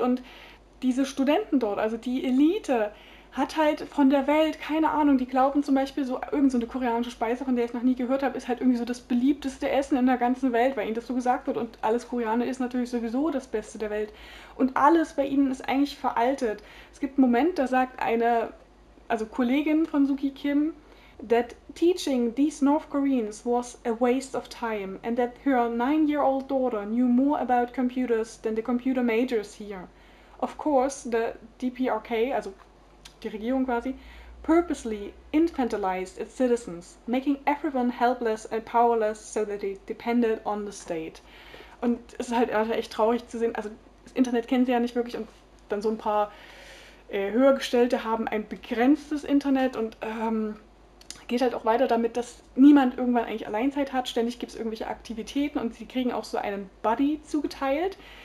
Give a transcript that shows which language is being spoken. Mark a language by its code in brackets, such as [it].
[de] Und diese Studenten dort, also die Elite, hat halt von der Welt keine Ahnung. Die glauben zum Beispiel, so irgend so eine koreanische Speise, von der ich noch nie gehört habe, ist halt irgendwie so das beliebteste Essen in der ganzen Welt, weil ihnen das so gesagt wird. Und alles Koreaner ist natürlich sowieso das Beste der Welt. Und alles bei ihnen ist eigentlich veraltet. Es gibt einen Moment, da sagt eine, also Kollegin von Suki Kim, [en] that teaching these North Koreans was a waste of time and that her nine-year-old daughter knew more about computers than the computer majors here. Of course, the DPRK, [de] also die Regierung quasi, [en] purposely infantilized its citizens, making everyone helpless and powerless so that they depended on the state. [de] Und es ist halt echt traurig zu sehen, also das Internet kennen sie ja nicht wirklich und dann so ein paar Höhergestellte haben ein begrenztes Internet und geht halt auch weiter damit, dass niemand irgendwann eigentlich Alleinzeit hat, ständig gibt es irgendwelche Aktivitäten und sie kriegen auch so einen Buddy zugeteilt.